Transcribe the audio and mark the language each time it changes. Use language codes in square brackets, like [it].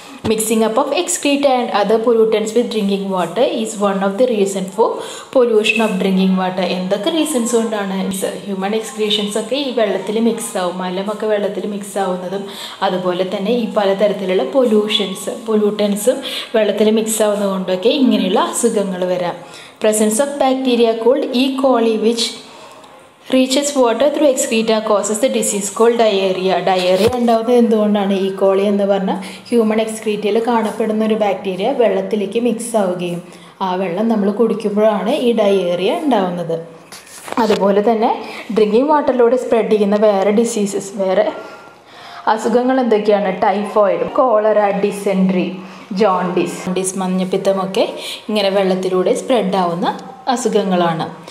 [en] Mixing up of excreta and other pollutants with drinking water is one of the reason for pollution of drinking water. [ml] എന്തൊക്കെ reasons കൊണ്ടാണ് human എക്സ്ക്രീഷൻസ് ഒക്കെ ഈ വെള്ളത്തിൽ mix ആവും, മലമൊക്കെ വെള്ളത്തിൽ mix ആവുന്നതും, അതുപോലെ തന്നെ ഈ പലതരത്തിലുള്ള പൊല്യൂട്ടൻസും വെള്ളത്തിൽ മിക്സ് ആവുന്നത് കൊണ്ടൊക്കെ ഇങ്ങനെയുള്ള അസുഖങ്ങൾ വരാം. [en] Presence of bacteria called E coli which reaches water through excreta causes the disease called diarrhea. [ml] Diarrhea ഉണ്ടാവുന്നത് എന്തുകൊണ്ടാണ്, ഈ കോളി എന്ന് പറഞ്ഞാൽ ഹ്യൂമൺ എക്സ്ക്രീറ്റയിൽ കാണപ്പെടുന്ന ഒരു ബാക്ടീരിയ വെള്ളത്തിലേക്ക് മിക്സ് ആവുകയും ആ വെള്ളം നമ്മൾ കുടിക്കുമ്പോഴാണ് ഈ ഡയേറിയ ഉണ്ടാവുന്നത്. അതുപോലെ തന്നെ ഡ്രിങ്കിങ് വാട്ടറിലൂടെ സ്പ്രെഡ് ചെയ്യുന്ന വേറെ ഡിസീസസ്, വേറെ അസുഖങ്ങൾ എന്തൊക്കെയാണ്, typhoid, cholera, dysentery, jaundice, jaundice മഞ്ഞപ്പിത്തമൊക്കെ ഇങ്ങനെ വെള്ളത്തിലൂടെ സ്പ്രെഡാവുന്ന അസുഖങ്ങളാണ്.